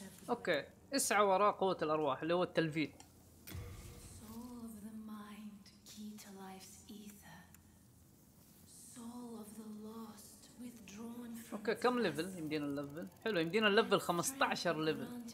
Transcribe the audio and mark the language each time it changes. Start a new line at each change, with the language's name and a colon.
Arabic: اوكي، اسعى وراء قوة الأرواح اللي هو التلفيل.
English: Soul of the mind, key to life's ether. Soul of the lost, withdrawn from.
Arabic: اوكي، كم ليفل يمدينا الليفل؟ حلو، يمدينا الليفل 15 ليفل.